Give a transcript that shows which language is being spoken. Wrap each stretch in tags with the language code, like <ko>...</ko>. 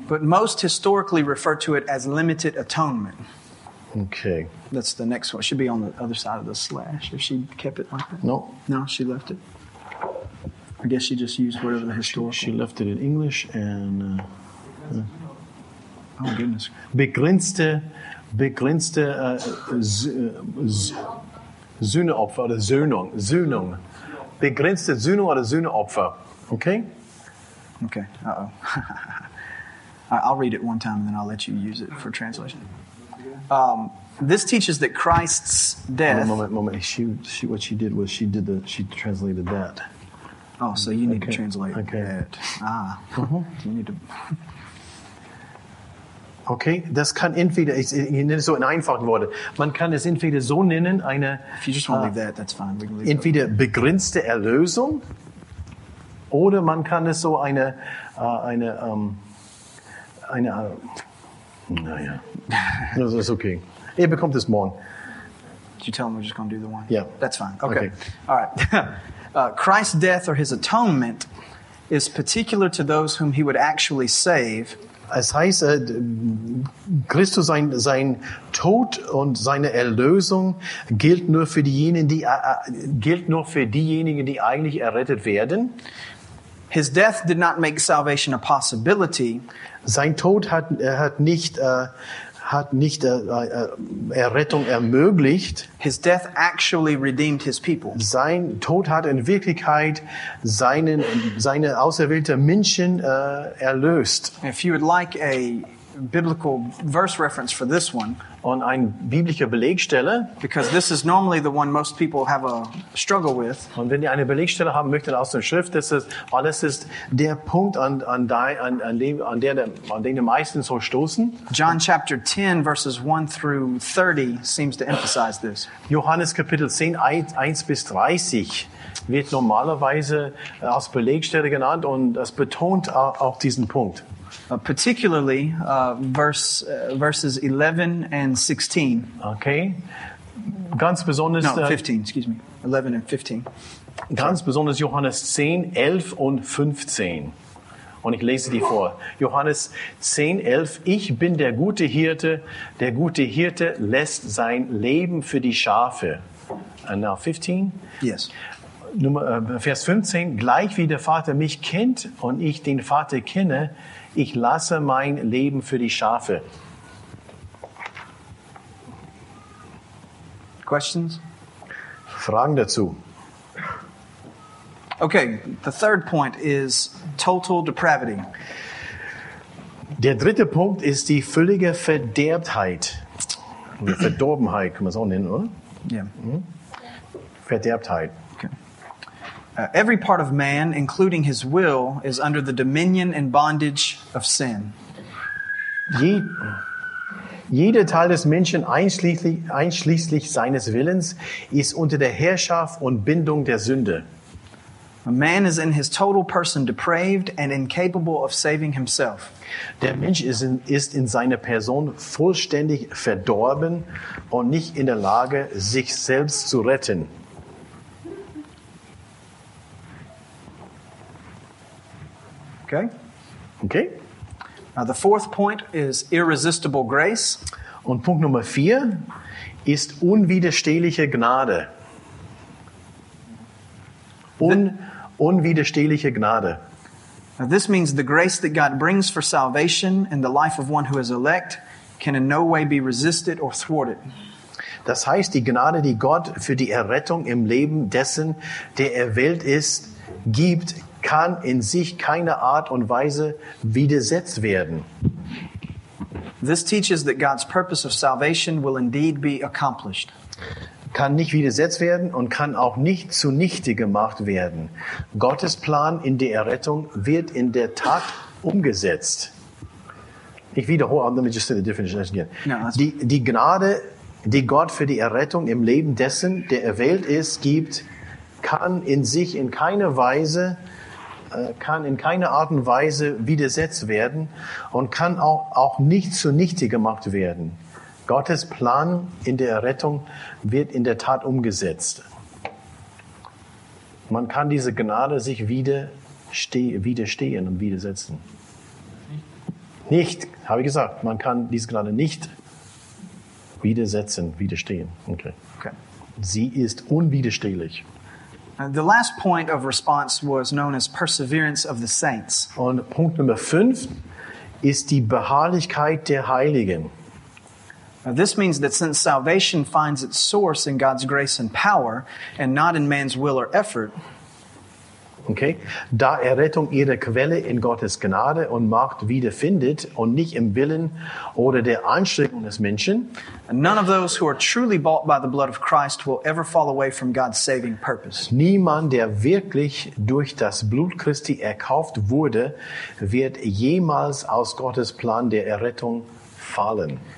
<en>But most historically refer to it as limited atonement. Okay. That's the next one. It should be on the other side of the slash if she kept it like that. No. No, she left it. I guess she just used whatever the historical. She left it in English and... Oh, goodness.</en> <de>Begrenzte Sühneopfer oder Söhnung. Sühnung. Begrenzte Sühnung oder Sühneopfer.</de> <en>Okay. Okay, uh-oh. I'll read it one time and then I'll let you use it for translation. This teaches that Christ's death... Moment. She translated that. Oh, so you need to translate that. Ah. Mm-hmm. You need to...</en> <de>Okay, das kann entweder... Ich nenne es so in einfachen Worten. Man kann es entweder so nennen, eine...</de> <en>If you just want to leave that, that's fine. We can leave</en> <de>entweder</de> <en>that.</en> <de>Begrenzte Erlösung... Oder man kann es so eine naja, das ist okay. Ihr bekommt es morgen.</de> <en>Did you tell him we're just going to do the one? Yeah. That's fine. Okay. All right. Christ's death or his atonement is particular to those whom he would actually save.</en> <de>Es heißt, Christus sein Tod und seine Erlösung gilt nur für diejenigen, die eigentlich errettet werden.</de> <en>His death did not make salvation a possibility.</en> <de>Sein Tod hat nicht Errettung ermöglicht.</de> <en>His death actually redeemed his people.</en> <de>Sein Tod hat in Wirklichkeit seine auserwählte Menschen erlöst.</de> <en>If you would like a biblical verse reference for this one,</en> <de>und ein biblischer Belegstelle,</de> <en>because this is normally the one most people have a struggle with.</en> <de>Und wenn ihr eine Belegstelle haben möchtet aus der Schrift, das ist der Punkt an den die meisten so stoßen.</de> <en>John chapter 10 verses 1 through 30 seems to emphasize this.</en> <de>Johannes Kapitel 10 1 bis 30 wird normalerweise als Belegstelle genannt und das betont auch diesen Punkt.</de> <en>Particularly verses 11 and 16.</en> <de>Okay. Ganz besonders...</de> <en>No, 15, excuse me. 11 and 15.</en> <de>Ganz besonders Johannes 10, 11 und 15. Und ich lese die vor. Johannes 10, 11. Ich bin der gute Hirte. Der gute Hirte lässt sein Leben für die Schafe.</de> <en>And now 15? Yes.</en> <de>Vers 15. Gleich wie der Vater mich kennt und ich den Vater kenne... Ich lasse mein Leben für die Schafe.</de> <en>Questions?</en> <de>Fragen dazu.</de> <en>Okay, the third point is total depravity.</en> <de>Der dritte Punkt ist die völlige Verderbtheit. Verdorbenheit kann man es auch nennen, oder? Ja. Yeah. Verderbtheit.</de> <en>Every part of man, including his will, is under the dominion and bondage of sin.</en> <de>Jeder Teil des Menschen, einschließlich seines Willens, ist unter der Herrschaft und Bindung der Sünde.</de> <en>A man is in his total person depraved and incapable of saving himself.</en> <de>Der Mensch ist in seiner Person vollständig verdorben und nicht in der Lage, sich selbst zu retten.</de> <en>Okay. Now the fourth point is irresistible grace.</en> <de>Und Punkt Nummer 4 ist unwiderstehliche Gnade. Unwiderstehliche Gnade.</de> <en>Now this means the grace that God brings for salvation in the life of one who is elect can in no way be resisted or thwarted.</en> <de>Das heißt, die Gnade, die Gott für die Errettung im Leben dessen, der erwählt ist, gibt, kann in sich keine Art und Weise widersetzt werden.</de> <en>This teaches that God's purpose of salvation will indeed be accomplished.</en> <de>Kann nicht widersetzt werden und kann auch nicht zunichte gemacht werden. Gottes Plan in der Errettung wird in der Tat umgesetzt. Ich wiederhole,</de> <en>let me just say the definition again.</en> <de>Die Gnade, die Gott für die Errettung im Leben dessen, der erwählt ist, gibt, kann in sich in keiner Weise, kann in keiner Art und Weise widersetzt werden und kann auch nicht zunichte gemacht werden. Gottes Plan in der Errettung wird in der Tat umgesetzt. Man kann diese Gnade sich widerstehen und widersetzen. Nicht, habe ich gesagt, man kann diese Gnade nicht widersetzen, widerstehen. Okay. Sie ist unwiderstehlich.</de> <en>The last point of response was known as perseverance of the saints.</en> <de>Und Punkt Nummer 5 ist die Beharrlichkeit der Heiligen.</de> <en>This means that since salvation finds its source in God's grace and power and not in man's will or effort. Okay.</en> <de>Da Errettung ihre Quelle in Gottes Gnade und Macht wiederfindet und nicht im Willen oder der Anstrengung des Menschen.</de> <en>None of those who are truly bought by the blood of Christ will ever fall away from God's saving purpose.</en> <de>Niemand, der wirklich durch das Blut Christi erkauft wurde, wird jemals aus Gottes Plan der Errettung fallen.</de>